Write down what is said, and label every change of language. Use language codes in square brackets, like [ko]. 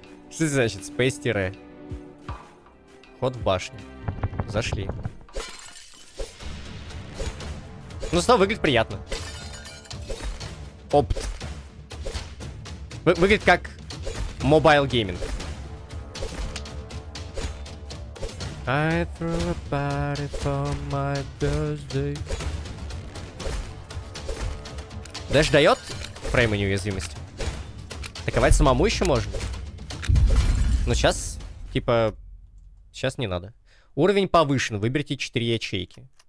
[ru] Что значит space-тире? Ход в башню. Зашли. Ну, снова выглядит приятно. Опт. Выглядит как мобайл гейминг. [en] I throw a party for my birthday. [ru] Дэш дает фреймы неуязвимости. Атаковать самому еще можно. Но сейчас, типа, сейчас не надо. Уровень повышен, выберите 4 ячейки.